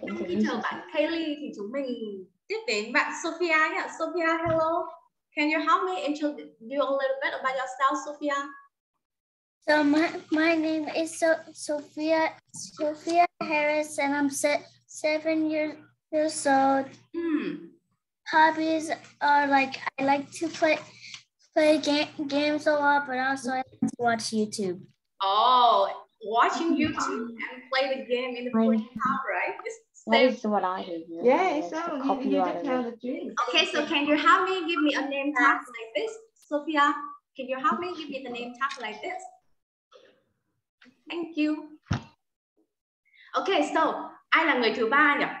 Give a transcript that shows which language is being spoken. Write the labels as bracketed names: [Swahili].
[Vietnamese] trong khi chờ bạn Kaylee thì chúng mình tiếp đến bạn Sophia nhé. [English] Sophia, hello. Can you help me introduce you a little bit about yourself, Sophia? So my name is Sophia Harris and I'm 7 years old. Hmm. Hobbies are like I like to play games a lot, but also I like to watch YouTube. Oh. Watching YouTube and play the game in the morning time, right? That's what I hear. Here. Yeah, so you just tell the truth. Okay, so can you help me give me a name tag like this, Sophia? Can you help me give me the name tag like this? Thank you. [Vietnamese] Okay, so ai là người thứ ba nhỉ?